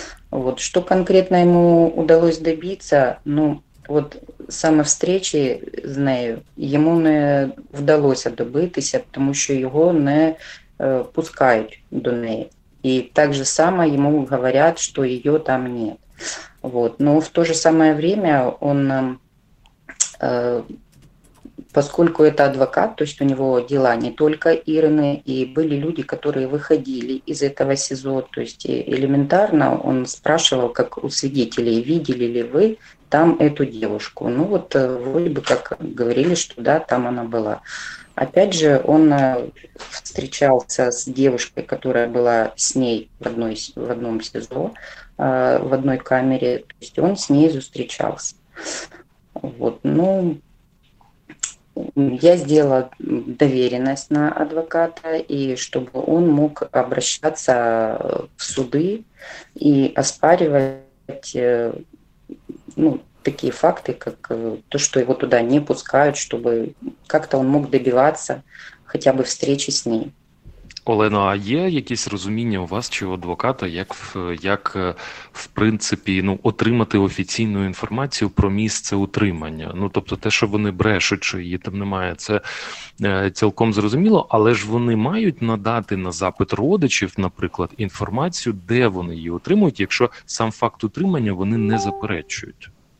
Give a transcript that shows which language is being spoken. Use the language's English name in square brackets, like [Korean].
[Ukrainian] От, що конкретно йому вдалося добитися, ну, от саме зустрічі з нею йому не вдалося добитися, тому що його не пускають до неї. І так же само йому говорять, що її там нет. [Russian] Вот. Но в то же самое время он Поскольку это адвокат, то есть у него дела не только Ирины, и были люди, которые выходили из этого СИЗО. То есть элементарно он спрашивал, как у свидетелей, видели ли вы там эту девушку. Ну вот вроде бы как говорили, что да, там она была. Опять же, он встречался с девушкой, которая была с ней в одном СИЗО, в одной камере. То есть он с ней встречался. Вот, ну... Я сделала доверенность на адвоката, и чтобы он мог обращаться в суды и оспаривать, ну, такие факты, как то, что его туда не пускают, чтобы как-то он мог добиваться хотя бы встречи с ней. [Ukrainian] Олено, а є якесь розуміння у вас чи у адвоката, як в принципі, ну, отримати офіційну інформацію про місце утримання? Ну, тобто те, що вони брешуть, що її там немає, це цілком зрозуміло, але ж вони мають надати на запит родичів, наприклад, інформацію, де вони її отримують, якщо сам факт утримання вони не заперечують.